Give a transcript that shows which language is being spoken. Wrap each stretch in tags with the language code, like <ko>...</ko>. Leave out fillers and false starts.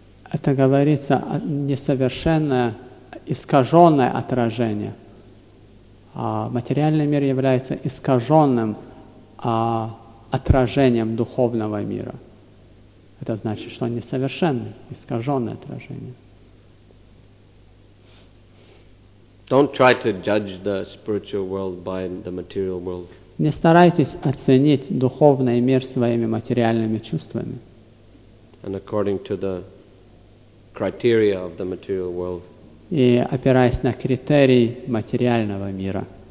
<ru>Это говорится несовершенное, искаженное отражение. Материальный мир является искаженным отражением духовного мира. Это значит, что несовершенное, искаженное отражение.</ru> <en>Don't try to judge the spiritual world by the material world.</en> <ru>Не старайтесь оценить духовный мир своими материальными чувствами.</ru> <en>And according to the criteria of the material world.</en> <ru>И опираясь на критерии материального мира.</ru>